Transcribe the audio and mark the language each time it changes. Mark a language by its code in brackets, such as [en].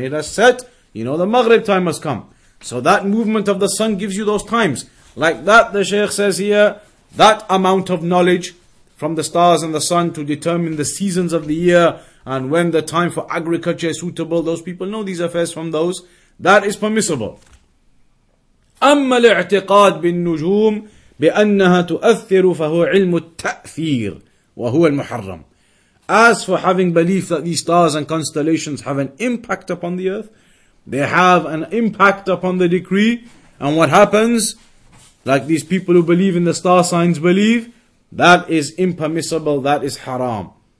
[en] It has set, you know the Maghrib time has come. So that movement of the sun gives you those times. Like that, the Shaykh says here, that amount of knowledge from the stars and the sun to determine the seasons of the year and when the time for agriculture is suitable, those people know these affairs from those, that is permissible. [ar] أما الاعتقاد بالنجوم بأنها تؤثر فهو علم التأثير وهو المحرم. [en] As for having belief that these stars and constellations have an impact upon the earth, they have an impact upon the decree, and what happens, like these people who believe in the star signs believe, that is impermissible, that is haram.